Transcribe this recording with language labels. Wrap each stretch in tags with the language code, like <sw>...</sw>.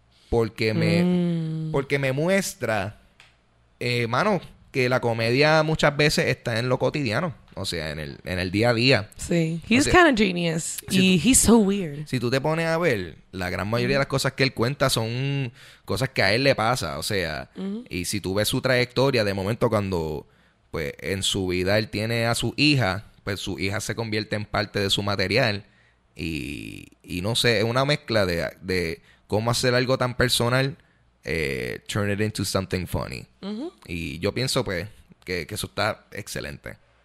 <es>porque me muestra, mano, que la comedia muchas veces está en lo cotidiano, o sea, en el día a día.</es> <en>Sí, he's kind of genius y he's so weird.</en> <es>Si tú te pones a ver, la gran mayoría de las cosas que él cuenta son cosas que a él le pasa, o sea, y si tú ves su trayectoria, de momento cuando, pues, en su vida él tiene a su hija, pues su hija se convierte en parte de su material y no sé, es una mezcla de cómo hacer algo tan personal.</es> <en>Turn it into something funny.</en> <es>Y yo pienso pues que eso está excelente.</es>